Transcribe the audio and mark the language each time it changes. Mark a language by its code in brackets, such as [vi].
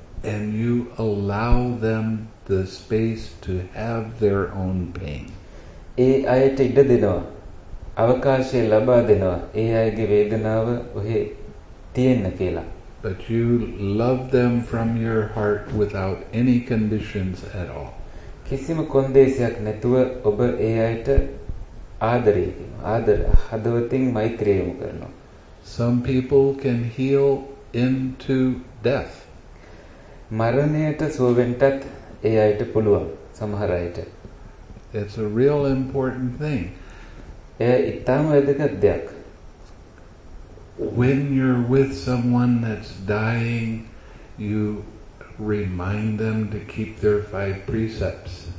[en] And you allow them the space to have their own pain. [si] ඒ අයට ඉඩ දෙනවා. අවකාශය ලබා දෙනවා. ඒ අයගේ වේදනාව ඔහෙ තියෙන්න කියලා. [en] But you love them from your heart without any conditions at all. [si] කිසිම කොන්දේසියක් නැතුව ඔබ ඒ අයට ආදරය කරනවා. ආදර හදවතින් මෛත්‍රිය යොමු කරනවා. [en] Some people can heal into death. [si] මරණයට සුවෙන්ටත් ඒ අයට පුළුවන් සමහර අයට. [en] It's a real important thing. [si] ඒ ඉතාම වැදගත් දෙයක්. [en] When you're with someone that's dying, you remind them to keep their five precepts.